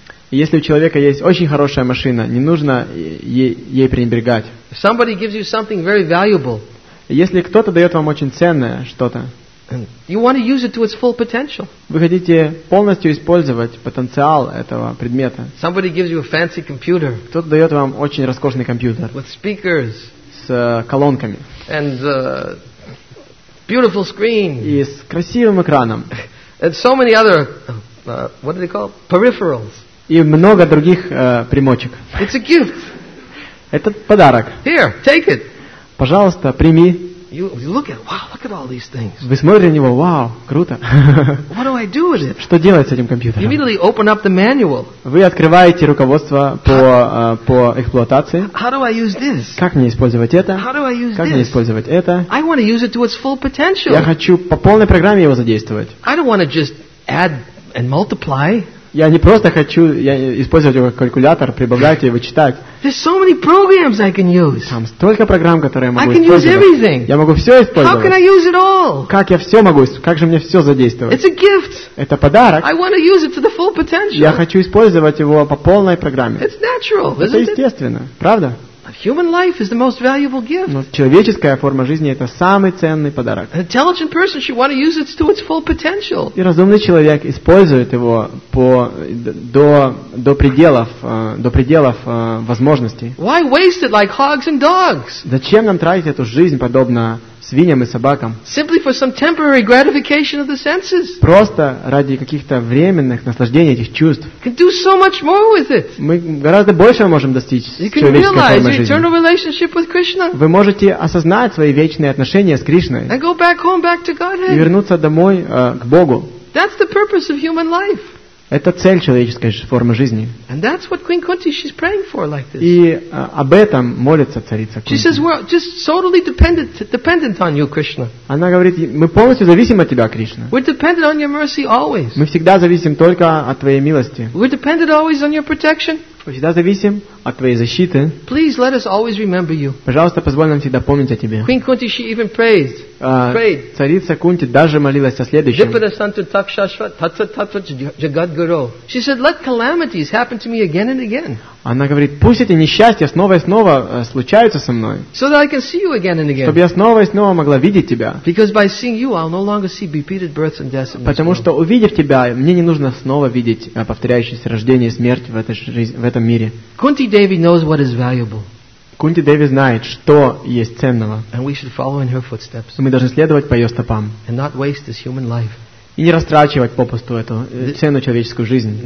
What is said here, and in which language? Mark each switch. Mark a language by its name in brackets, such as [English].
[Russian] Если у человека есть очень хорошая машина, не нужно ей пренебрегать. [English] If somebody gives you something very valuable, [Russian] если кто-то дает вам очень ценное что-то, [English] And you want to use it to its full potential. [Russian] Вы хотите полностью использовать потенциал этого предмета. [English] Somebody gives you a fancy computer. [Russian] Кто-то дает вам очень роскошный компьютер. [English] With speakers. [Russian] С колонками. [English] And beautiful screen. [Russian] И с красивым экраном. [English] And so many other, what do they call? Peripherals. [Russian] И много других примочек. [English] It's a gift. [Russian] Это подарок. [English] Here, take it. [Russian] Пожалуйста, прими. [English] You look at, wow, look at all these things. [Russian] Вы смотрите на него, вау, круто. [English] What do I do with it? [Russian] Что делать с этим компьютером? [English] You immediately open up the manual. [Russian] Вы открываете руководство по эксплуатации. [English] How do I use this? [Russian] Как мне использовать это? [English] How do I use [Russian] как [English] this? [Russian] Мне использовать это? [English] I want to use it to its full potential. [Russian] Я хочу по полной программе его задействовать. [English] I don't want to just add and multiply. [Russian] Я не просто хочу использовать его как калькулятор, прибавлять и вычитать. [English] There's so many programs I can use. [Russian] Там столько программ, которые я могу использовать. [English] I can use everything. [Russian] Я могу все использовать. [English] How can I use it all? [Russian] Как я все могу? Как же мне все задействовать? [English] It's a gift. [Russian] Это подарок. [English] I want to use it to the full potential. [Russian] Я хочу использовать его по полной программе. [English] It's natural, [Russian] это естественно, [English] isn't it? [Russian] Правда? [English] Human life is the most valuable gift. [Russian] Но человеческая форма жизни это самый ценный подарок. [English] An intelligent person should want to use it to its full potential. [Russian] И разумный человек использует его до пределов возможностей. [English] Why waste it like hogs and dogs? [Russian] Зачем нам тратить эту жизнь подобно свиньям и собакам? [English] Simply for some temporary gratification of the senses. [Russian] Просто ради каких-то временных наслаждений этих чувств. [English] You can do so much more with it. [Russian] Мы гораздо больше можем достичь с человеческой формой жизни. [English] Eternal relationship with Krishna. [Russian] Вы можете осознать свои вечные отношения с Кришной. [English] And go back home, back to Godhead. [Russian] И вернуться домой, к Богу. [English] That's the purpose of human life. [Russian] Это цель человеческой формы жизни. [English] And that's what Queen Kunti, she's praying for like this. [Russian] И об этом молится царица Кунти. [English] She says, we're just totally dependent on you, Krishna. [Russian] Она говорит, мы полностью зависим от тебя, Кришна. [English] We're dependent on your mercy always. [Russian] Мы всегда зависим только от твоей милости. [English] We're dependent always on your protection. [Russian] Мы всегда зависим от твоей защиты. [English] Please let us always remember you. [Russian] Пожалуйста, позволь нам всегда помнить о тебе. [English] Queen Kunti, she even prayed. [Russian] Царица Кунти даже молилась о следующем. [Sanskrit] Dipada santu takshashva tatsa tatsa jagadguru. [English] She said, let calamities happen to me again and again. [Russian] Она говорит, пусть эти несчастья снова и снова случаются со мной. [English] So that I can see you again and again. [Russian] Чтобы я снова и снова могла видеть тебя. [English] Because by seeing you, I'll no longer see repeated births and deaths. [Russian] Потому что увидев тебя, мне не нужно снова видеть повторяющиеся рождения и смерть в этой жизни. [English] Kunti Devi knows what is valuable. [Russian] Kunti Devi знает, что есть ценного. [English] And we should follow in her footsteps. [Russian] Мы должны следовать по ее стопам. [English] And not waste this human life. [Russian] И не растрачивать попусту эту ценную человеческую жизнь.